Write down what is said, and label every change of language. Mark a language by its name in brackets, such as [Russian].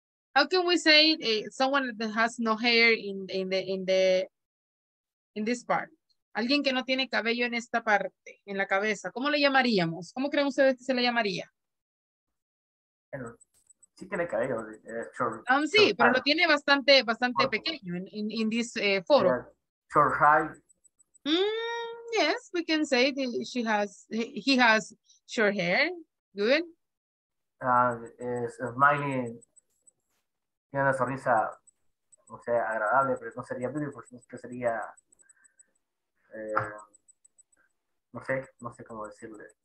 [English] How can we say someone that has no hair in this part? [Spanish] Alguien que no tiene cabello en esta parte, en la cabeza. ¿Cómo le llamaríamos? ¿Cómo creen ustedes que se le llamaría? Sí tiene cabello. Sí, pero lo tiene bastante, bastante pequeño [English] in this photo. Short hair. Yes, we can say that he has short hair. Good. [Spanish] Smiling, tiene una sonrisa, no sé, agradable, pero no sería beautiful, sino que sería, no sé cómo decirle.